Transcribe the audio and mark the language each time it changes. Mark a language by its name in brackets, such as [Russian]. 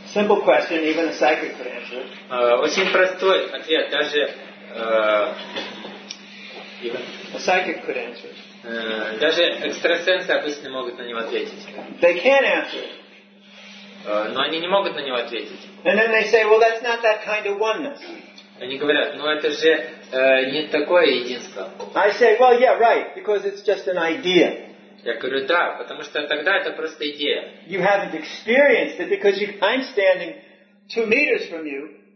[English] Simple question, even a psychic could answer. [Russian] Очень простой ответ, даже [English] a psychic could answer. [Russian] Даже экстрасенсы обычно могут на него ответить. [English] They can't answer. [Russian] Но они не могут на него ответить. [English] And then they say, well, that's not that kind of oneness. [Russian] Они говорят, ну это же не такое единство. [English] I say, well, yeah, right, because it's just an idea. [Russian] Я говорю, да, потому что тогда это просто идея. [English] You haven't experienced it because I'm standing 2 meters from you.